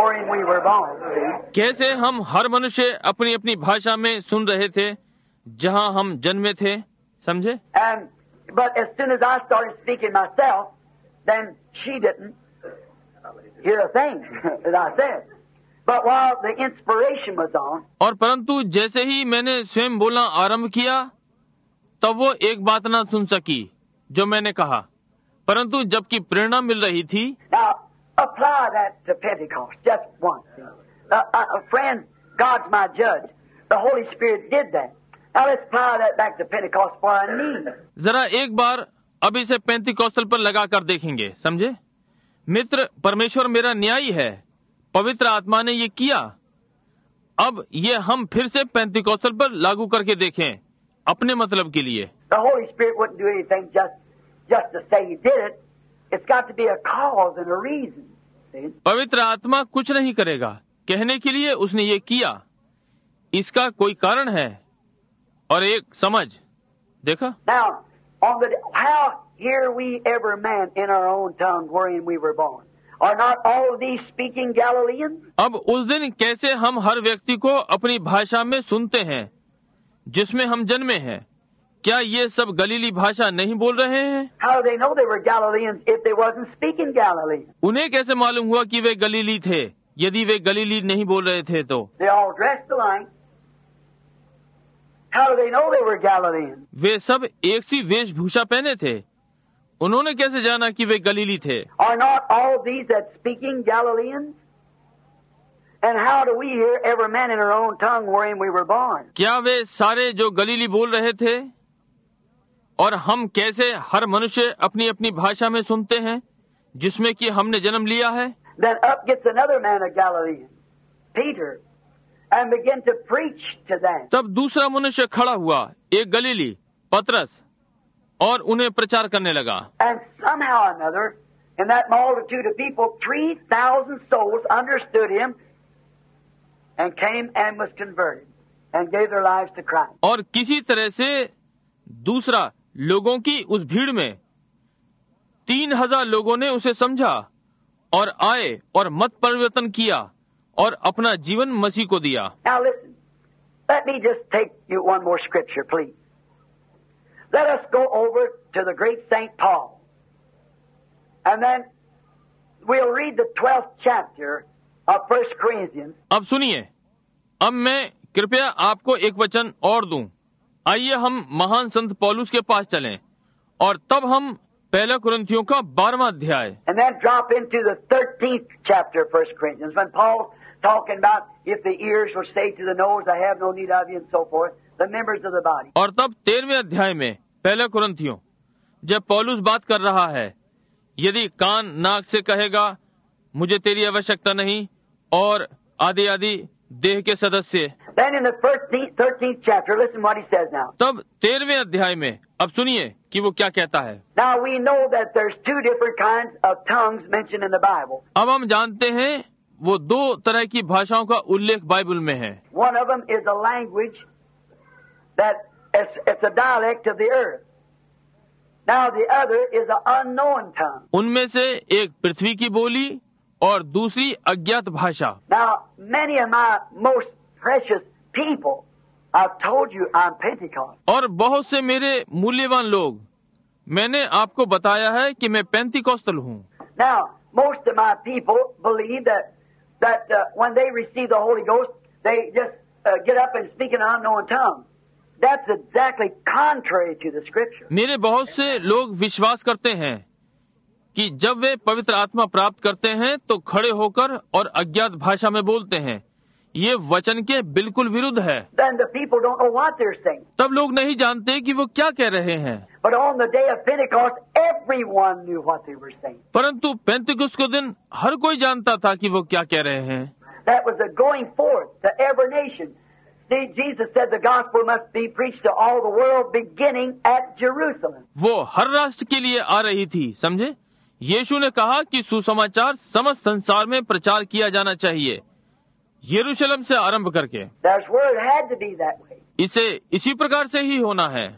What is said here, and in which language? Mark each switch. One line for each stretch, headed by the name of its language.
Hindi: कैसे हम हर मनुष्य अपनी अपनी भाषा में सुन रहे थे जहाँ हम जन्मे थे, समझे?
English: But as soon as I started speaking myself, then she didn't hear a thing that I said. But while the inspiration was on,
Hindi: और परंतु जैसे ही मैंने स्वयं बोलना आरंभ किया, तब वो एक बात ना सुन सकी जो मैंने कहा, परंतु जबकि प्रेरणा मिल रही थी।
English: Now, apply that to Pentecost, just once. Friend, God's my judge. The Holy Spirit did that. Now let's apply that back to Pentecost for our need.
Hindi: जरा एक बार अब इसे पेंतिकोस्तल पर लगा कर देखेंगे, समझे? मित्र परमेश्वर मेरा न्यायी है, पवित्र आत्मा ने ये किया। अब ये हम फिर से पेंतिकोस्तल पर लागू करके देखें अपने मतलब के लिए।
English: The Holy Spirit wouldn't do anything just to say he did it. It's got to be a cause and a reason.
Hindi: पवित्र आत्मा कुछ नहीं करेगा कहने के लिए उसने ये किया, इसका कोई कारण है और एक समझ। देखा?
English: Now, on the how hear we ever man in our own tongue wherein we were born? Are not all these speaking Galileans?
Hindi: अब उस दिन कैसे हम हर व्यक्ति को अपनी भाषा में सुनते हैं जिसमें हम जन्मे हैं? क्या ये सब गलीली भाषा नहीं बोल रहे हैं?
English: How they know they were Galileans if they wasn't speaking Galilee?
Hindi: उन्हें कैसे मालूम हुआ कि वे गलीली थे यदि वे गलीली नहीं बोल रहे थे तो?
English: They all dressed alike. How do they know they were Galileans?
Hindi: वे सब एक सी वेशभूषा पहने थे, उन्होंने कैसे जाना कि वे गलीली थे?
English: Are not all these that speaking Galileans? And how do we hear every man in our own tongue wherein we were born?
Hindi: क्या वे सारे जो गलीली बोल रहे थे और हम कैसे हर मनुष्य अपनी अपनी भाषा में सुनते हैं जिसमें कि हमने जन्म लिया है?
English: Then up gets another man of Galilee, Peter, and began to preach to them.
Hindi: तब दूसरा मनुष्य खड़ा हुआ, एक गलीली पतरस, और उन्हें प्रचार करने लगा।
English: And somehow or another, in that multitude of people, 3,000 souls understood him and came and was converted and gave their lives to Christ.
Hindi: और किसी तरह से दूसरा लोगों की उस भीड़ में 3,000 लोगों ने उसे समझा और आए और मत परिवर्तन किया और अपना जीवन मसीह को दिया।
English: Now listen, let me just take you one more scripture, please. Let us go over to the great Saint Paul, and then we'll read the 12th chapter of 1 Corinthians.
Hindi: अब सुनिए, अब मैं कृपया आपको एक वचन और दूं। आइए हम महान संत पौलुस के पास चलें और तब हम पहले कुरिन्थियों का 12वां अध्याय और तब 13वें अध्याय में पहले कुरिन्थियों, जब पौलुस बात कर रहा है, यदि कान नाक से कहेगा मुझे तेरी आवश्यकता नहीं और आदि आदि देह के सदस्य।
English: Then in the 13th chapter, listen what he says now.
Hindi: तब 13वें अध्याय में अब सुनिए कि वो क्या कहता है।
English: Now we know that there's two different kinds of tongues mentioned in the Bible.
Hindi: अब हम जानते हैं वो दो तरह की भाषाओं का उल्लेख बाइबल में है।
English: One of them is a language that it's a dialect of the earth. Now the other is an unknown tongue.
Hindi: उनमें से एक पृथ्वी की बोली और दूसरी अज्ञात भाषा।
English: Now many of my most precious people, I've told you I'm Pentecost.
Hindi: और बहुत से मेरे मूल्यवान लोग, मैंने आपको बताया है कि मैं पेंतिकोस्तल हूँ।
English: Now, most of my people believe that when they receive the Holy Ghost, they just get up and speak in an unknown tongue. That's exactly contrary to the Scripture.
Hindi: मेरे बहुत से लोग विश्वास करते हैं कि जब वे पवित्र आत्मा प्राप्त करते हैं तो खड़े होकर और अज्ञात भाषा में बोलते हैं। ये वचन के बिल्कुल विरुद्ध है।
English: Then the people don't know what they're saying.
Hindi: तब लोग नहीं जानते कि वो क्या कह रहे हैं।
English: But on the day of Pentecost, everyone knew what they were saying.
Hindi: परंतु पेंतिकोस्त के दिन हर कोई जानता था कि वो क्या कह रहे हैं।
English: That was a going forth to every nation. See, Jesus said the gospel must be preached to all the world beginning at Jerusalem.
Hindi: वो हर राष्ट्र के लिए आ रही थी, समझे? यीशु ने कहा कि सुसमाचार समस्त संसार में प्रचार किया जाना चाहिए, यरूशलेम से आरंभ करके। इसे इसी प्रकार से ही होना है।